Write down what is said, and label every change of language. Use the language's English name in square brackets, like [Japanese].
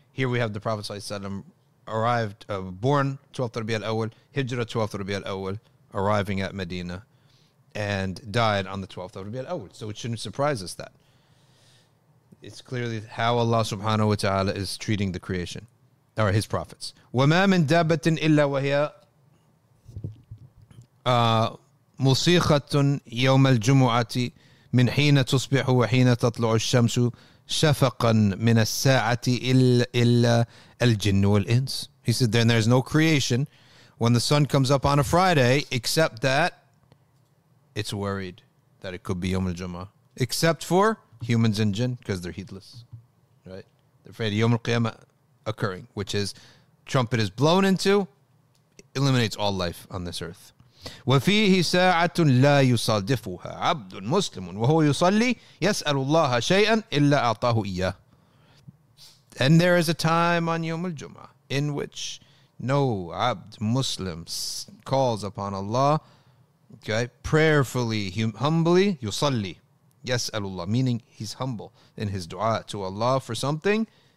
[English] Here we have the Prophet sallallahu alayhi salam arrived, born 12th Rabi' al-Awwal, hijrah 12th Rabi' al-Awwal, arriving at Medina, and died on the 12th Rabi' al-Awwal. So it shouldn't surprise us that. It's clearly how Allah subhanahu wa ta'ala is treating the creation, or his prophets. [Arabic] وَمَا مِن دَابَةٍ إِلَّا وَهِيَا مصيخة يوم الجمعة من حين تصبح وحين تطلع الشمس شفقا من الساعة إلا الجن والإنس. [English] He said, then there's no creation when the sun comes up on a Friday except that it's worried that it could be يوم الجمعة, except for humans and jinn, because they're heedless, right? They're afraid of يوم القيامة occurring, which is trumpet is blown into, eliminates all life on this earth. [Arabic] وفيه ساعة لا يصادفها عبد مسلم وهو يصلي يسأل الله شيئا إلا أعطاه إياه. [English] And there is a time on Yom al-Jum'ah in which no abd Muslim calls upon Allah, okay, prayerfully, humbly, [Arabic] يصلي يسأل الله, [English] meaning he's humble in his dua to Allah for something,